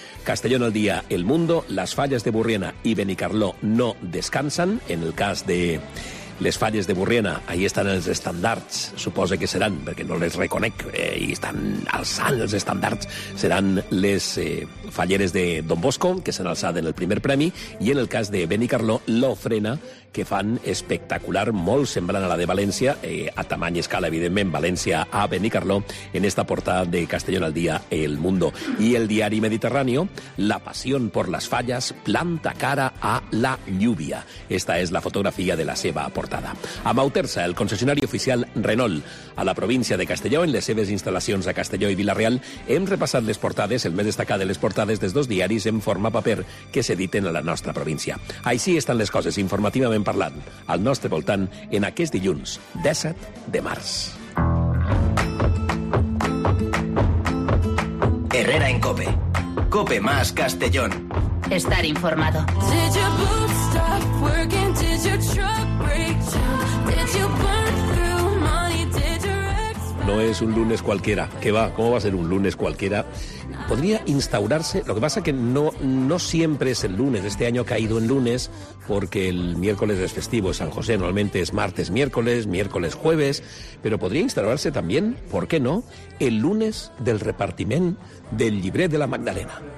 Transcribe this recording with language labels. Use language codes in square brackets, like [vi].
[es] Castellón al día, El Mundo, las fallas de Burriana y Benicarló no descansan, [ca] en el cas de les falles de Borriana, ahí estan els estàndards, suposa que seran, perquè no les reconec, i estan alçant els estàndards, seran les falleres de Don Bosco, que s'han alçat en el primer premi, i en el cas de Benicarló, l'Ofrena, que fan espectacular, molt semblant a la de València, a tamany escala, evidentment, València a Benicarló, en esta portada de Castellón al Día, El Mundo. I el diari [es] Mediterráneo, La pasión por las fallas planta cara a la lluvia. [ca] Esta és la fotografia de la seva portada. A Mauterza, el concessionari oficial Renault, a la província de Castelló, en les seves instal·lacions a Castelló i Vila-real, hem repassat les portades, el més destacat de les portades, des dos diaris en forma paper que s'editen a la nostra província. Així estan les coses, informativament en parlant al nostre voltant en aquest dilluns 17 de març. [es] Herrera en Cope. Cope más Castellón. Estar informado. [en] Did your boots stop working? Did your truck break down? Did you burn through money? Did your ex... [es] No es un lunes cualquiera. ¿Qué va? ¿Cómo va a ser un lunes cualquiera? Podría instaurarse, lo que pasa que no siempre es el lunes, este año ha caído en lunes porque el miércoles es festivo, San José, normalmente es martes, miércoles, miércoles, jueves, pero podría instaurarse también, ¿por qué no?, el lunes del [ca] repartiment del llibret [es] de la Magdalena.